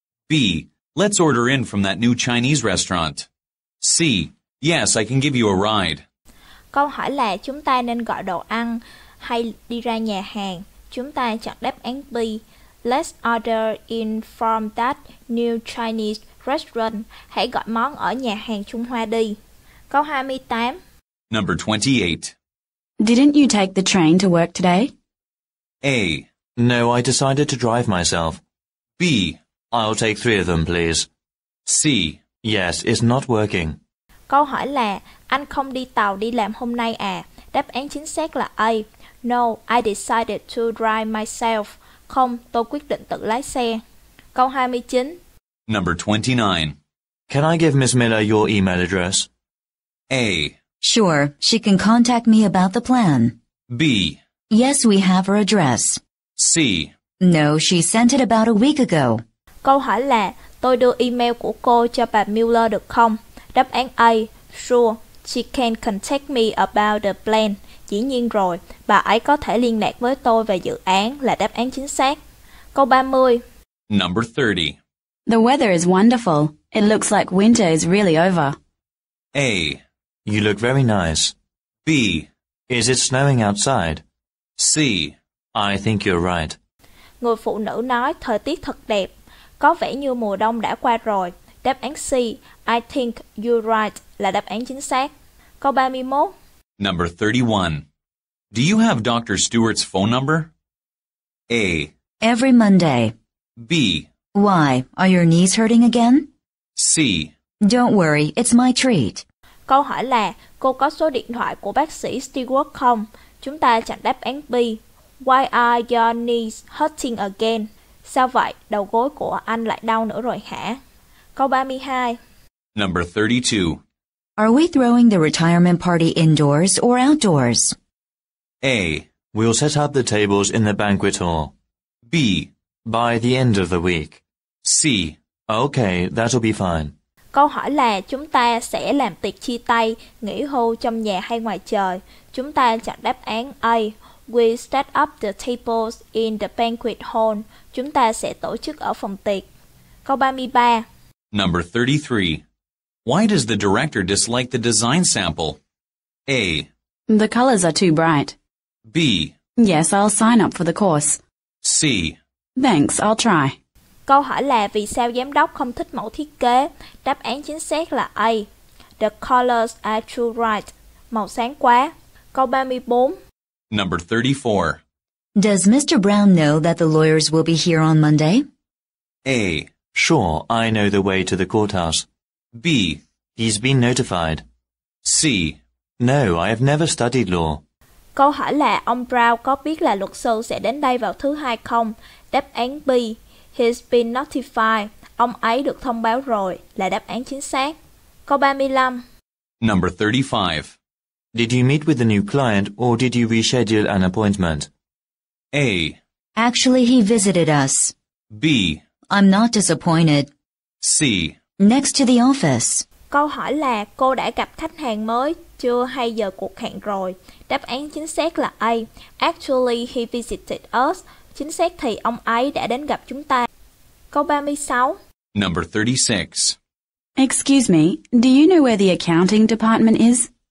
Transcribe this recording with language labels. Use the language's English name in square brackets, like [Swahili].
[English] B, let's order in from that new Chinese restaurant. C, yes, I can give you a ride. [Vietnamese] Câu hỏi là chúng ta nên gọi đồ ăn hay đi ra nhà hàng? Chúng ta chọn đáp án B. [English] Let's order in from that new Chinese restaurant. [Vietnamese] Hãy gọi món ở nhà hàng Trung Hoa đi. Câu 28. [English] Number 28. Didn't you take the train to work today? A. No, I decided to drive myself. B. I'll take three of them, please. C. Yes, it's not working. [Vietnamese] Câu hỏi là, anh không đi tàu đi làm hôm nay à? Đáp án chính xác là A. [English] No, I decided to drive myself. [Vietnamese] Không, tôi quyết định tự lái xe. Câu 29. [English] Number 29. Can I give Miss Miller your email address? A. Sure, she can contact me about the plan. B. Yes, we have her address. C. No, she sent it about a week ago. [Vietnamese] Câu hỏi là, tôi đưa email của cô cho bà Miller được không? Đáp án A. [English] Sure, she can contact me about the plan. [Vietnamese] Dĩ nhiên rồi, bà ấy có thể liên lạc với tôi về dự án là đáp án chính xác. Câu 30. [English] Number 30. The weather is wonderful. It looks like winter is really over. A. You look very nice. B. Is it snowing outside? C. I think you're right. [Vietnamese] Người phụ nữ nói thời tiết thật đẹp. Có vẻ như mùa đông đã qua rồi. Đáp án C. [English] I think you're right [Vietnamese] là đáp án chính xác. Câu 31. [English] Number 31. Do you have Dr. Stewart's phone number? A. Every Monday. B. Why? Are your knees hurting again? C. Don't worry, it's my treat. [Vietnamese] Câu hỏi là, cô có số điện thoại của bác sĩ Stewart không? Chúng ta chọn đáp án B. [English] Why are your knees hurting again? [Vietnamese] Sao vậy? Đầu gối của anh lại đau nữa rồi hả? Câu 32. [English] Number 32. Are we throwing the retirement party indoors or outdoors? A. We'll set up the tables in the banquet hall. B. By the end of the week. C. Okay, that'll be fine. [Vietnamese] Câu hỏi là chúng ta sẽ làm tiệc chia tay, nghỉ hưu trong nhà hay ngoài trời? Chúng ta chọn đáp án A. [English] We set up the tables in the banquet hall. [Vietnamese] Chúng ta sẽ tổ chức ở phòng tiệc. Câu 33. [English] Number 33. Why does the director dislike the design sample? A. The colors are too bright. B. Yes, I'll sign up for the course. C. Thanks, I'll try. [Vietnamese] Câu hỏi là vì sao giám đốc không thích mẫu thiết kế? Đáp án chính xác là A. [English] The colors are too bright. [Vietnamese] Màu sáng quá. Câu 34. [English] Number 34. Does Mr. Brown know that the lawyers will be here on Monday? A. Sure, I know the way to the courthouse. B. He's been notified. C. No, I have never studied law. [Vietnamese] Câu hỏi là ông Brown có biết là luật sư sẽ đến đây vào thứ hai không? Đáp án B. [English] He's been notified. [Vietnamese] Ông ấy được thông báo rồi là đáp án chính xác. Câu 35. [English] Number 35. Did you meet with the new client or did you reschedule an appointment? A. Actually, he visited us. B. I'm not disappointed. C. Next to the office. [Vietnamese] Câu hỏi là cô đã gặp khách hàng mới chưa hay giờ cuộc hẹn rồi? Đáp án chính xác là A. [English] Actually, he visited us. [Vietnamese] Chính xác thì ông ấy đã đến gặp chúng ta. Câu 36. [English] Number 36. Excuse me, do you know where the accounting department is?